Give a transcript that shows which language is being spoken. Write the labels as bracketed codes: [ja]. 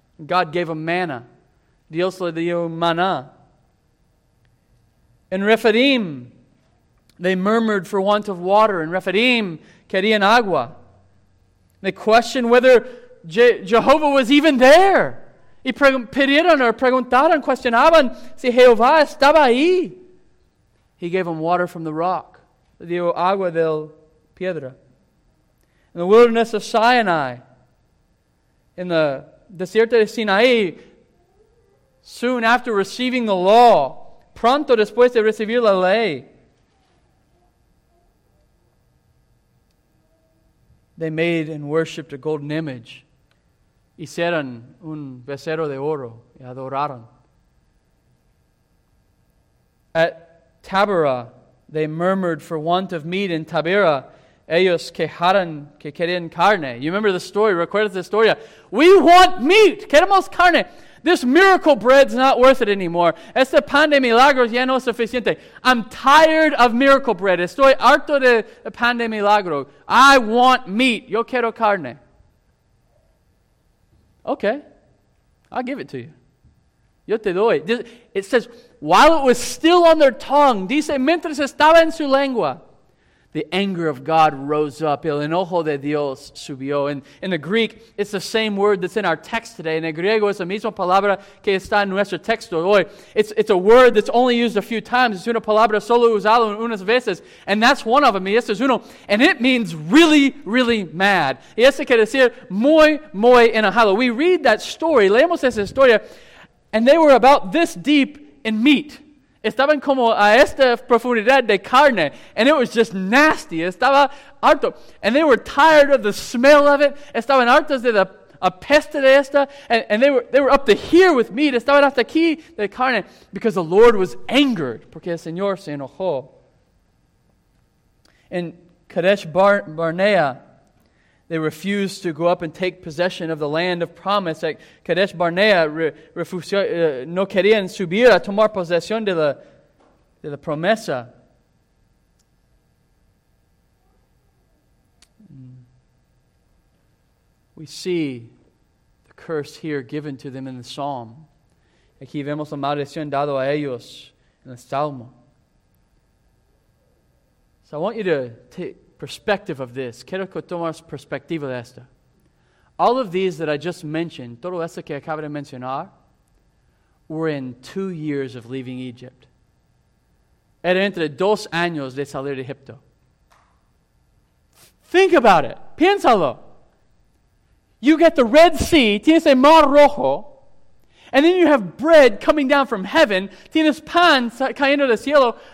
[en] God gave them manna. [es] Dios le dio maná. [en] In Rephidim, they murmured for want of water. In Rephidim, [es] querían agua. [en] They questioned whether Jehovah was even there. [es] Y pidieron o preguntaron, cuestionaban si Jehová estaba ahí. [en] He gave them water from the rock. [es] Le dio agua del piedra. [en] In the wilderness of Sinai, in the [es] desierto de Sinaí, [en] soon after receiving the law, [es] pronto después de recibir la ley, [en] they made and worshipped a golden image. [es] Hicieron un becerro de oro y adoraron. [en] At Tabera, they murmured for want of meat. [es] In Tabera, ellos quejaron que querían carne. [en] You remember the story, [es] recuerdas la historia. [en] We want meat, [es] queremos carne. [en] This miracle bread's not worth it anymore. [es] Este pan de milagros ya no es suficiente. [en] I'm tired of miracle bread. [es] Estoy harto de pan de milagro. [en] I want meat. [es] Yo quiero carne. [en] Okay. I'll give it to you. [es] Yo te doy. [en] It says, while it was still on their tongue, [es] dice, mientras estaba en su lengua, [en] the anger of God rose up. [es] El enojo de Dios subió. [en] And in the Greek, it's the same word that's in our text today. [es] En el griego es la misma palabra que está en nuestro texto hoy. [en] It's a word that's only used a few times. [es] Es una palabra solo usada unas veces. [en] And that's one of them. [es] Y este es uno. [en] And it means really, really mad. [es] Y este quiere decir muy, muy enojado. [en] We read that story. [es] Leemos esa historia. [en] And they were about this deep in meat. [es] Estaban como a esta profundidad de carne. [en] And it was just nasty. [es] Estaba harto. [en] And they were tired of the smell of it. [es] Estaban hartos de la peste de esta. [en] And they were up to here with meat. [es] Estaban hasta aquí de carne. [en] Because the Lord was angered. [es] Porque el Señor se enojó. [en] In Kadesh Barnea, they refused to go up and take possession of the land of promise. [es] At Kadesh Barnea, no querían subir a tomar posesión de la promesa. [en] We see the curse here given to them in the psalm. [es] Aquí vemos la maldición dado a ellos en el salmo. [en] So I want you to take perspective of this. [es] Quiero que tomes perspectiva de esto. [en] All of these that I just mentioned, [es] todo esto que acabo de mencionar, [en] were in 2 years of leaving Egypt. [es] Era entre 2 años de salir de Egipto. [en] Think about it. [es] Piénsalo. [en] You get the Red Sea, [es] tienes el Mar Rojo, [en] and then you have bread coming down from heaven, [es] tienes pan cayendo del cielo.